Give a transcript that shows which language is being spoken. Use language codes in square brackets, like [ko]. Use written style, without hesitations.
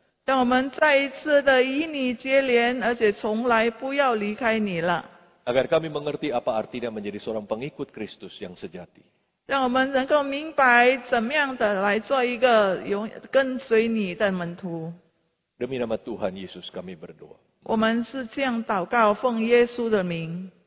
[zh] 让我们再一次的与你结连，而且从来不要离开你了。 [id] Agar kami mengerti apa artinya menjadi seorang pengikut Kristus yang sejati. [zh] 让我们能够明白怎么样的来做一个跟随你的门徒。 [id] Demi nama Tuhan Yesus kami berdoa. [zh] 我们是这样祷告，奉耶稣的名。